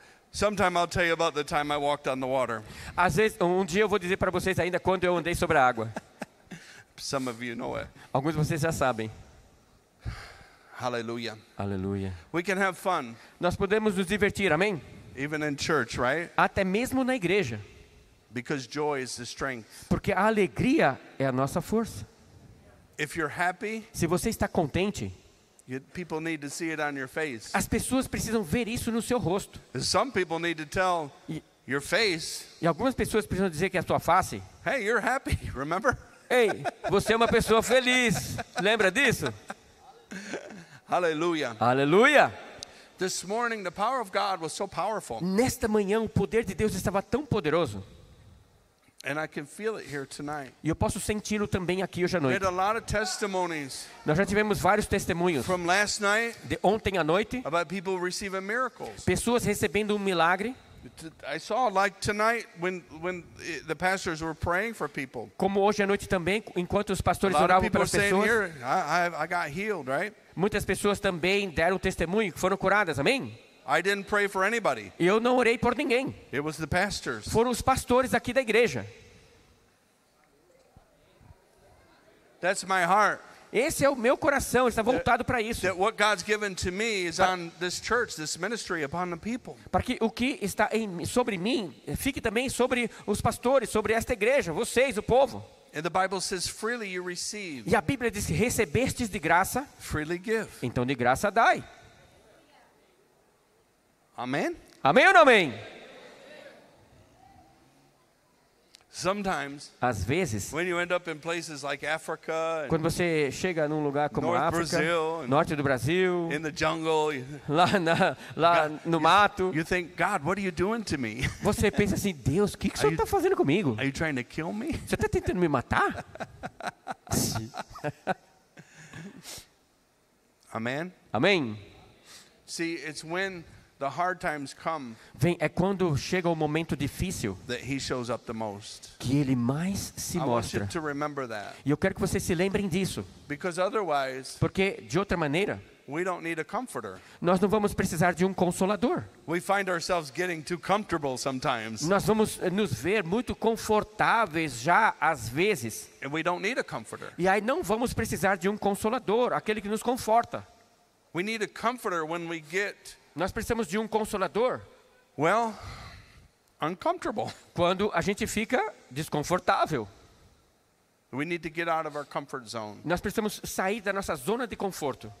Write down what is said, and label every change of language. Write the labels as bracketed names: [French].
[English] Sometime I'll tell you about the time I walked on the water. [Portuguese] Às vezes, dia eu vou dizer para vocês ainda quando eu andei sobre a água. [English] Some of you know it. [Portuguese] Alguns de vocês já sabem. [English] Hallelujah. Hallelujah. We can have fun. [Portuguese] Nós podemos nos divertir, amém? [English] Even in church, right? [Portuguese] Até mesmo na igreja. [English] Because joy is the strength. [Portuguese] Porque a alegria é a nossa força. [English] If you're happy, [Portuguese] se você está contente, [English] people need to see it on your face. [Portuguese] As pessoas precisam ver isso no seu rosto. [English] Some people need to tell your face. [Portuguese] E algumas pessoas precisam dizer que é a sua face. [English] Hey, you're happy, remember? [Portuguese] Ei, você é uma pessoa feliz. Lembra disso? Aleluia. Aleluia. [English] This morning the power of God was so powerful. [Portuguese] Nesta manhã o poder de Deus estava tão poderoso. [English] And I can feel it here tonight. [Portuguese] E eu posso senti-lo também aqui hoje à noite. [English] We had a lot of testimonies. [Portuguese] Nós já tivemos vários testemunhos. [English] From last night. [Portuguese] De ontem à noite. [English] About people receiving miracles. [Portuguese] Pessoas recebendo um milagre. [English] I saw like tonight when the pastors were praying for people. [Portuguese] Como hoje à noite também, enquanto os pastores oravam pelas pessoas. [English] A lot of people were saying here, I got healed, right? [Portuguese] Muitas pessoas também deram testemunho que foram curadas, amém? [English] I didn't pray for anybody. [Portuguese] Eu não orei por ninguém. [English] It was the pastors. [Portuguese] Foram os pastores aqui da igreja. [English] That's my heart. [Portuguese] Esse é o meu coração, está voltado para isso. [English] What God's given to me is on this church, this ministry upon the people. [Portuguese] Para que o que está sobre mim fique também sobre os pastores, sobre esta igreja, vocês, o povo. [English] And the Bible says freely you receive. [Portuguese] E a Bíblia diz recebestes de graça. [English] Freely give. [Portuguese] Então de graça dai. [English] Amen. [Portuguese] Amém ou não amém? [English] Sometimes. [Portuguese] Às vezes. [English] When you end up in places like Africa. [Portuguese] Quando você chega num lugar como [English] North [Portuguese] África, [English] Brazil, [Portuguese] norte do Brasil. [English] In the jungle. [Portuguese] Lá no mato. [English] You think, God, what are you doing to me? [Portuguese] Você pensa assim, Deus, o que que o senhor está fazendo comigo? [English] Are you trying to kill me? [Portuguese] Você está tentando me matar? [English] Amen. [Portuguese] Amém. [English] See, it's when the hard times come. [Portuguese] Vem, é quando chega o momento difícil. [English] That he shows up the most. [Portuguese] Que ele mais se mostra. [English] I want you to remember that. [Portuguese] E eu quero que vocês se lembrem disso. [English] Because otherwise. [Portuguese] Porque de outra maneira. [English] We don't need a comforter. [Portuguese] Nós não vamos precisar de um consolador. [English] We find ourselves getting too comfortable sometimes. [Portuguese] Nós vamos nos ver muito confortáveis já às vezes. [English] And we don't need a comforter. [Portuguese] E aí não vamos precisar de um consolador, aquele que nos conforta. [English] We need a comforter when we get. [Portuguese] Nós precisamos de um consolador. [English] Well, uncomfortable. [Portuguese] Quando a gente fica desconfortável. [English] We need to get out of our comfort zone. [Portuguese] Nós precisamos sair da nossa zona de conforto.